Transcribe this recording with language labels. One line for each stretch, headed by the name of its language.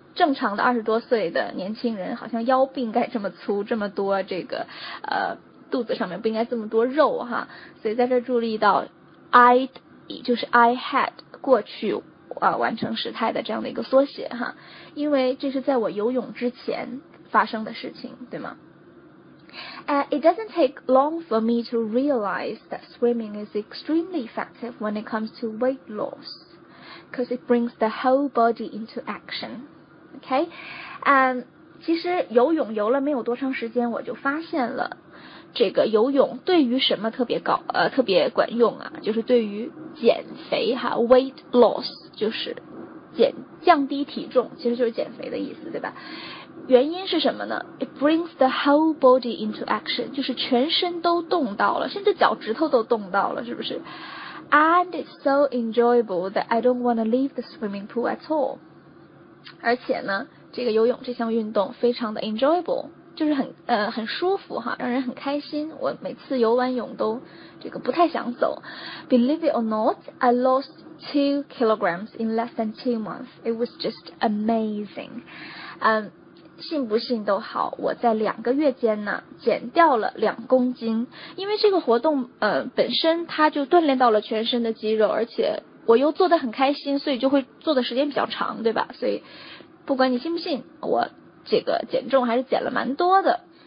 Chinese: 正常的20多岁的年轻人，好像腰不应该这么粗，这么多这个肚子上面不应该这么多肉哈。所以在这注意到 ，I had 过去完成时态的这样的一个缩写哈，因为这是在我游泳之前发生的事情，对吗？
English: It doesn't take long for me to realize that swimming is extremely effective when it comes to weight loss, because it brings the whole body into action.
Chinese: Okay, 其实游泳游了没有多长时间，我就发现了这个游泳对于什么特别管用啊，就是对于减肥哈 ，weight loss 就是降低体重，其实就是减肥的意思，对吧？原因是什么呢
English: ？It brings the whole body into action，
Chinese: 就是全身都动到了，甚至脚趾头都动到了，是不是
English: ？And it's so enjoyable that I don't want to leave the swimming pool at all。
Chinese: 而且呢，这个游泳这项运动非常的 enjoyable， 就是很舒服哈，让人很开心。我每次游完泳都这个不太想走。
English: Believe it or not, I lost 2 kilograms in less than 2 months. It was just amazing.
Chinese: 信不信都好，我在2个月间呢减掉了2公斤。因为这个活动本身它就锻炼到了全身的肌肉，而且我又做得很开心，所以就会做的时间比较长，对吧？所以不管你信不信，我这个减重还是减了蛮多的。